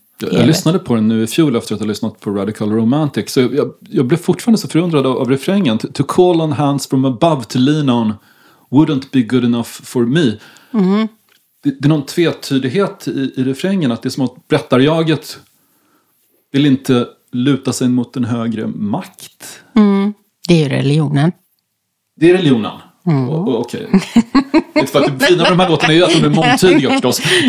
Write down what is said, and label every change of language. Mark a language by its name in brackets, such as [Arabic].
[Swedish] Jag lyssnade på den nu i fjol efter att ha lyssnat på Radical Romantic. Så jag blev fortfarande så förundrad av refrängen. [English] To call on hands from above to lean on wouldn't be good enough for me. [Swedish] Det är någon tvetydighet i refrängen. Att det är som att berättarjaget vill inte luta sig mot en högre makt. Det är religionen. Det är religionen. Okej. Det fina med de här låten är ju att de är mångtydiga förstås.